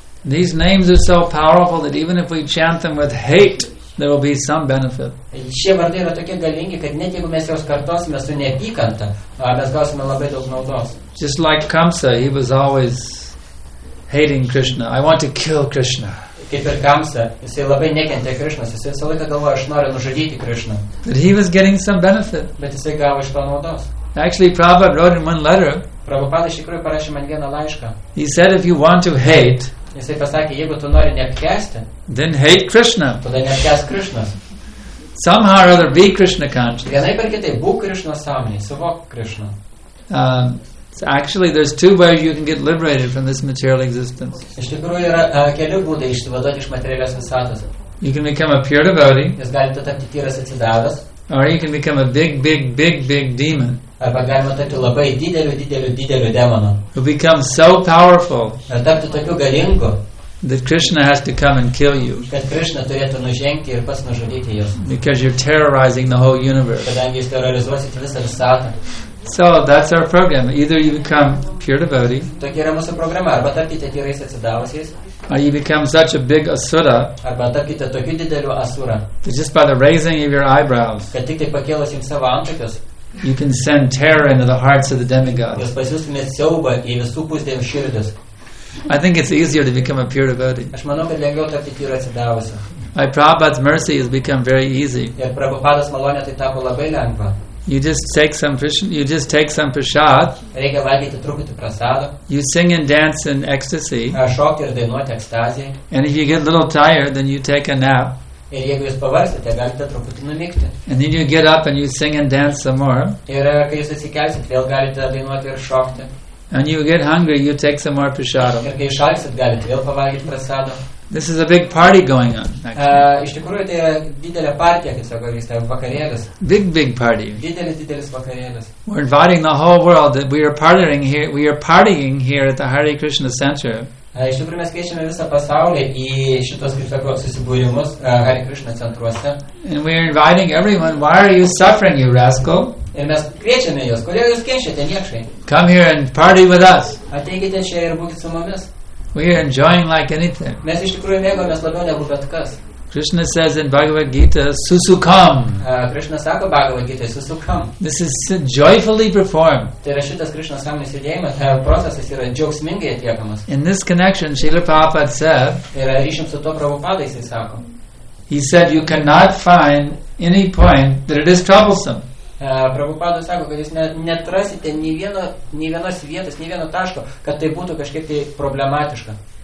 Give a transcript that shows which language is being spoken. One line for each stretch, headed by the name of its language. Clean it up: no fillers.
English: These names are so powerful that even if we chant them with hate, there will be some benefit.
Lithuanian: Šie vardai yra tokie galingi, kad net jeigu mes jos kartosime su neapykanta, mes gausime labai daug naudos.
English: Just like Kamsa, he was always hating Krishna. I want to kill Krishna.
Lithuanian: Kaip ir Kamsa, jisai labai nekentė Krishna. Jisai visą laiką galvoja, aš noriu nužudyti Krishna.
English: But he was getting some benefit.
Lithuanian: Bet jisai gavo iš to naudos.
English: Actually, Prabhupada wrote in one letter.
Lithuanian: Prabhupada iš tikrųjų parašė man vieną laišką.
English: He said, if you want to hate,
Lithuanian: jisai pasakė, jeigu tu nori neapkęsti,
English: then hate Krishna.
Lithuanian: Tada neapkęs Krishna.
English: Somehow or other, be Krishna conscious.
Lithuanian: Vienaip ar kitaip, būk Krishna sąmonėj, suvok Krishna.
English: So actually, there's two ways you can get liberated from this material existence.
Lithuanian: Iš tikrųjų yra keli būdai išsivaduoti iš materialios visatos.
English: You can become a pure devotee.
Lithuanian: Jūs galite tapti tyras atsidavęs.
English: Or you can become a big, big, big, big demon.
Lithuanian: Arba galima tapti labai dideliu, dideliu, dideliu demonu.
English: Who becomes so powerful.
Lithuanian: Ir tapti tokiu galingu.
English: That Krishna has to come and kill you.
Lithuanian: Kad Krishna turėtų nužengti ir pas nužudyti jūs.
English: Because you're terrorizing the whole universe.
Lithuanian: Kadangi jūs terrorizuosite visą visatą.
English: So that's our program. Either you become pure devotee.
Lithuanian: Tokia yra mūsų programa, arba tapkite tyrais atsidavusiais.
English: Or you become such a big asura.
Lithuanian: Arba tapkite tokiu dideliu asura.
English: Just by the raising of your eyebrows.
Lithuanian: Kad tik tai pakėlus jums savo antakius.
English: You can send terror into the hearts of the demigods.
Lithuanian: Jūs pasiųstumėt siaubą į visų pusdievių širdis.
English: I think it's easier to become a pure devotee.
Lithuanian: Aš manau, kad lengviau tapti tyru atsidavusiu.
English: By Prabhupada's mercy has become very easy.
Lithuanian: Ir Prabhupada's malonė tai tapo labai lengva.
English: You just take some prasad.
Lithuanian: Reikia valgyti truputį prasado.
English: You sing and dance in ecstasy.
Lithuanian: Šokti ir dainuoti ekstazijai.
English: And if you get a little tired, then you take a nap.
Lithuanian: Ir jeigu jūs pavarsite, galite truputį numigti.
English: And then you get up and you sing and dance some more.
Lithuanian: Ir kai jūs atsikelsit, vėl galite dainuoti ir šokti.
English: And you get hungry, you take some more prasadam.
Lithuanian: Ir kai išalksit, galite vėl pavalgyti prasado.
English: This is a big party going on.
Lithuanian: Iš tikrųjų, tai yra didelė partija, kaip sako, jis tai vakarėlis.
English: Big, big party.
Lithuanian: Didelis, didelis vakarėlis.
English: We're inviting the whole world that we are partying here at the Hare Krishna Center.
Lithuanian: Iš tikrųjų, mes keičiame visą pasaulį į šitos, kaip sako, susibūrimus Hare Krishna centruose.
English: And we are inviting everyone, why are you suffering, you rascal?
Lithuanian: Ir mes kviečiame jos, kodėl jūs kenčiate, niekšai?
English: Come here and party with us.
Lithuanian: Ateikite čia ir būkite su mumis.
English: We are enjoying like anything.
Lithuanian: Mes iš tikrųjų mėgomės labiau negu bet kas.
English: Krishna says in Bhagavad Gita, susukam.
Lithuanian: Krishna sako Bhagavad Gita, susukam.
English: This is joyfully performed.
Lithuanian: Tai yra šitas Krishna samnis judėjimas, procesas yra džiaugsmingai atliekamas.
English: In this connection, Srila Prabhupada said,
Lithuanian: yra ryšim su to Prabhupada, jisai sako.
English: He said, you cannot find any point that it is troublesome.
Lithuanian: Prabhupada sako, kad jūs netrasite nei vienos vietos, nei vieno taško, kad tai būtų kažkaip tai problematiška.